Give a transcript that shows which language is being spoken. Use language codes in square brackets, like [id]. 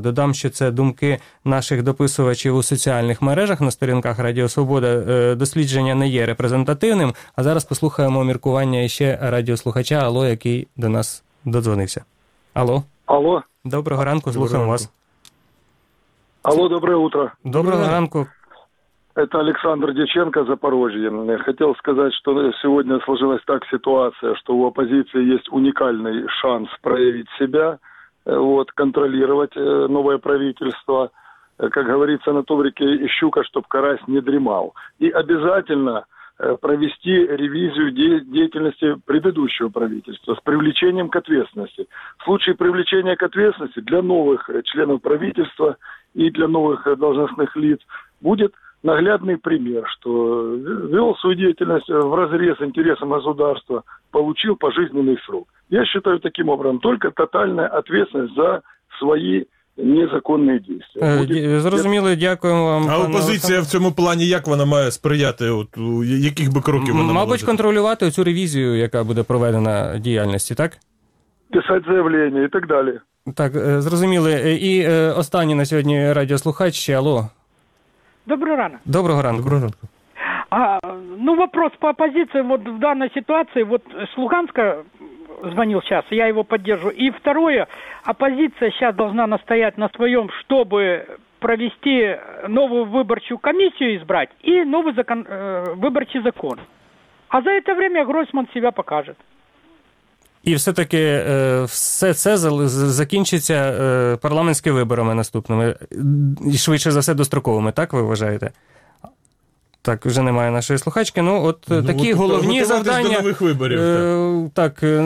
[uk] Додам, що це думки наших дописувачів у соціальних мережах на сторінках Радіо Свобода. Дослідження не є репрезентативним, а зараз послухаємо міркування ще радіослухача, алло, який до нас додзвонився. Алло. Алло. Доброго ранку, слухаємо вас. [ru] Алло, доброе утро. [uk] Доброго ранку. [ru] Это Александр Дьяченко, Запорожье. Хотел сказать, что сегодня сложилась так ситуация, что у оппозиции есть уникальный шанс проявить себя, вот, контролировать новое правительство. Как говорится на Тубрике, щука, чтоб карась не дремал. И обязательно провести ревизию деятельности предыдущего правительства с привлечением к ответственности. В случае привлечения к ответственности для новых членов правительства и для новых должностных лиц будет наглядный пример, что вел свою деятельность в разрез интересам государства, получил пожизненный срок. Я считаю таким образом только тотальная ответственность за свои незаконные действия. [uk] Зрозуміло, дякуємо вам. А опозиція в цьому плані, як вона має сприяти, от, у яких би кроків вона мабуть, була? Контролювати цю ревізію, яка буде проведена діяльності, так? Писати заявлення і так далі. Так, зрозуміло. І останній на сьогодні радіослухач. Алло. Доброго рана. Доброго ранку. Доброго ранку. [ru] Ну, вопрос по оппозиции вот в данной ситуации. Вот Слуганска звонил сейчас, я его поддерживаю. И второе, оппозиция сейчас должна настоять на своем, чтобы провести новую выборчую комиссию избрать и новый закон, выборчий закон. А за это время Гройсман себя покажет. [uk] І все-таки все це закінчиться парламентськими виборами наступними, і швидше за все достроковими, так ви вважаєте? Так, вже немає нашої слухачки. Ну, от ну, такі от, головні завдання. До нових виборів, так,